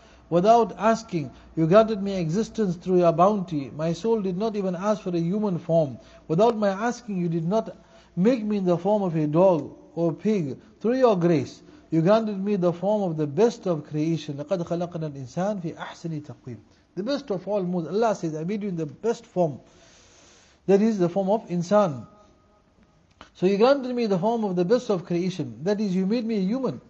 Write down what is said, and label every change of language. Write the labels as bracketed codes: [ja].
[en] Without asking, you granted me existence through your bounty. My soul did not even ask for a human form. Without my asking, you did not make me in the form of a dog or pig. Through your grace, you granted me the form of the best of creation. [ar] لَقَدْ خَلَقْنَا الْإِنسَانِ فِي أَحْسَنِ تَقْوِيمٍ. [en] The best of all moods. Allah says, I made you in the best form. That is the form of insan. So you granted me the form of the best of creation. That is, you made me a human.